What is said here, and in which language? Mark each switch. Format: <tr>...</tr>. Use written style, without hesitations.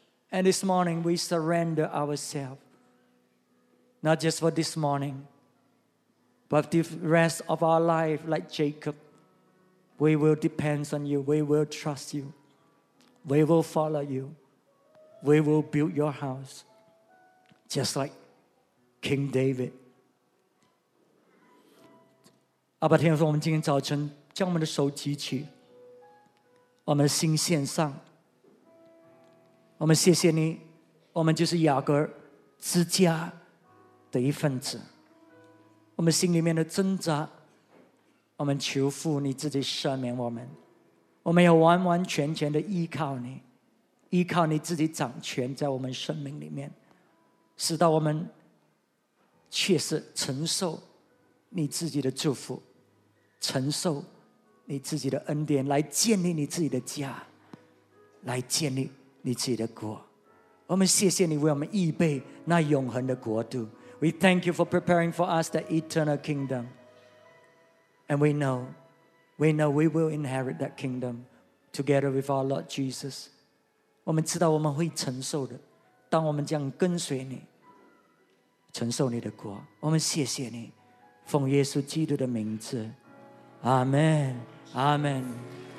<en>And this morning, we surrender ourselves, not just for this morning, but the rest of our life, like Jacob. We will depend on you. We will trust you. We will follow you. We will build your house, just like King David.</en> <zh>阿爸天父，我们今天早晨将我们的手举起，我们的心献上。我们谢谢你，我们就是雅各之家的一份子。我们心里面的挣扎，我们求父你自己赦免我们。我们要完完全全的依靠你，依靠你自己掌权在我们生命里面，使到我们确实承受你自己的祝福，承受你自己的恩典，来建立你自己的家，来建立你自己的国。我们谢谢你为我们预备那永恒的国度。</zh> <en>We thank you for preparing for us the eternal kingdom, and we know we will inherit that kingdom together with our Lord Jesus.</en> <zh>我们知道我们会承受的，当我们这样跟随你承受你的国。我们谢谢你，奉耶稣基督的名字，阿门，阿门。</zh>